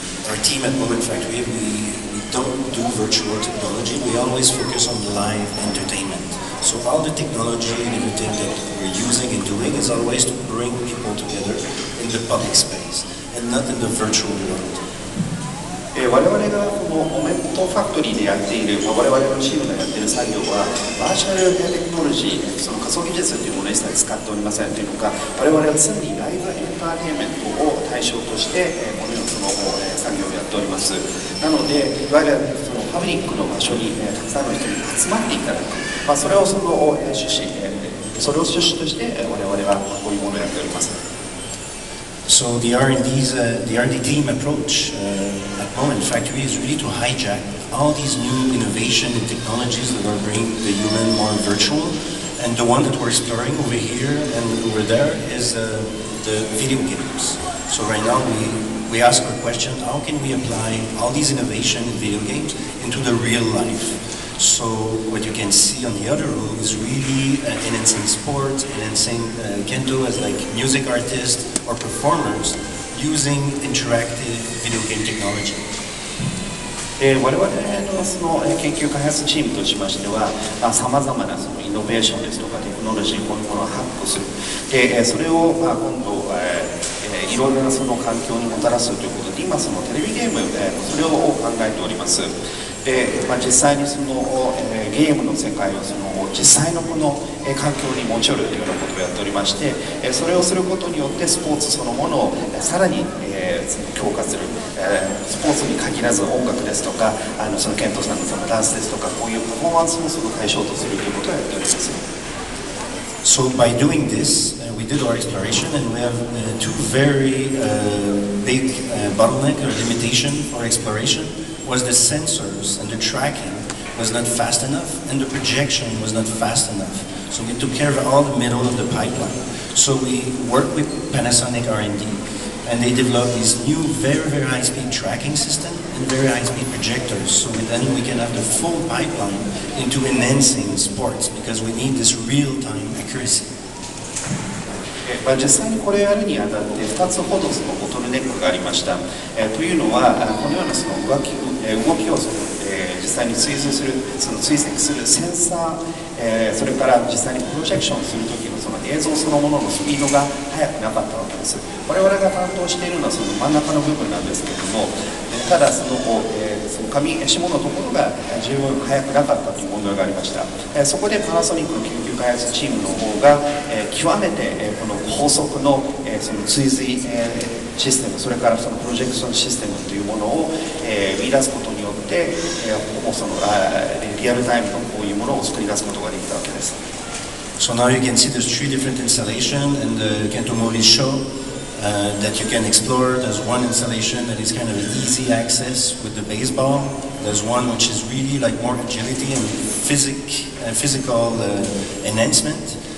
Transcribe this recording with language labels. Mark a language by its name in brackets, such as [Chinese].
[English] our team at Moment Factory, we don't do virtual technology. We always focus on live entertainment. So all the technology and everything that we're using and doing is always to bring people together in the public space and not in the virtual world. [Japanese] 我々がこのモメントファクトリーでやっている、まあ、我々のチームがやっている作業はバーチャルテクノロジー、その仮想技術というものを一切使っておりませんというのか、我々は常にライブエンターテインメントを対象としてこのような作業をやっております。なのでいわゆるそのパブリックの場所に、ね、たくさんの人に集まっていただく、まあ、それをその趣旨、それを趣旨として我々はこういうものをやっております。 [English] So the R&D's, the R&D team approach at Moment Factory is really to hijack all these new innovation and technologies that are bringing the human more virtual. And the one that we're exploring over here and over there is the video games. So right now we ask our question, how can we apply all these innovation in video games into the real life? So what you can see on the other room is really enhancing sports, enhancing Kendo as like music artist or performers using interactive video game technology. [Japanese] 我々 の, その研究開発チームとしましては、まあ、様々なそのイノベーションですとかテクノロジー、こういうものを発布する。でそれをまあ今度、いろんなその環境にもたらすということで、今そのテレビゲームでそれを考えております。でまあ、実際にその、ゲームの世界をその実際のこの環境に持ち寄るというようなことをやっておりまして、それをすることによってスポーツそのものをさらに、強化する、スポーツに限らず音楽ですとかあのそのケントさん の, そのダンスですとかこういうパフォーマンスもその対象とするということをやっております。 [English] So by doing this, we did our exploration and we have two very big bottleneck or limitation for exploration. Was the sensors and the tracking was not fast enough, and the projection was not fast enough. So we took care of all the middle of the pipeline. So we worked with Panasonic R&D, and they developed this new very, very high-speed tracking system and very high-speed projectors. So then we can have the full pipeline into enhancing sports, because we need this real-time accuracy. [Japanese] まあ、実際にこれをやるにあたって2つほどそのボトルネックがありました。というのはこのようなその動きをその、実際に追随するその追跡するセンサー、それから実際にプロジェクションするときの その映像そのもののスピードが速くなかったわけです。我々が担当しているのはその真ん中の部分なんですけれども、ただその紙、下のところが十分速くなかったという問題がありました。そこでパナソニックの研究開発チームの方が、極めて、この高速 の,、その追随、システム、それからそのプロジェクションシステムというものを、見出すことによって、ほぼそのリアルタイムのこういうものを作り出すことができたわけです。 [English] So now you can see there's three different installations and the Kento Mori show. That you can explore. There's one installation that is kind of an easy access with the baseball. There's one which is really like more agility and physical enhancement.